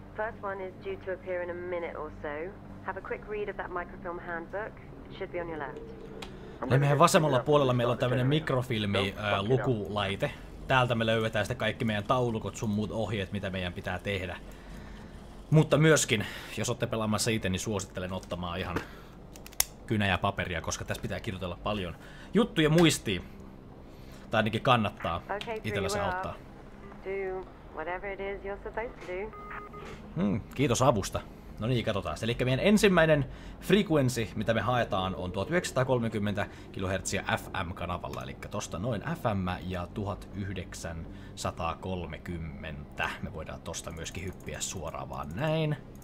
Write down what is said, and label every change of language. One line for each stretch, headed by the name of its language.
English: First one is due to appear in a minute or so. Have a quick read of that microfilm handbook. It should be on your left.
Finnish: Meidän vasemmalla puolella meillä on tämmönen mikrofilmi lukulaite. Täältä me löydetään sitten kaikki meidän taulukot, sun muut ohjeet, mitä meidän pitää tehdä. Mutta myöskin, jos olette pelaamassa itse, niin suosittelen ottamaan ihan kynä ja paperia, koska tässä pitää kirjoitella paljon juttuja muistiin. Tai ainakin kannattaa itsellä se auttaa.
English: Whatever it is you're supposed to do.
Finnish: Kiitos avusta. No niin, katsotaan. Eli meidän ensimmäinen frequency, mitä me haetaan, on 1930 kHz FM-kanavalla. Eli tosta noin FM ja 1930. Me voidaan tosta myöskin hyppiä suoraan vaan näin.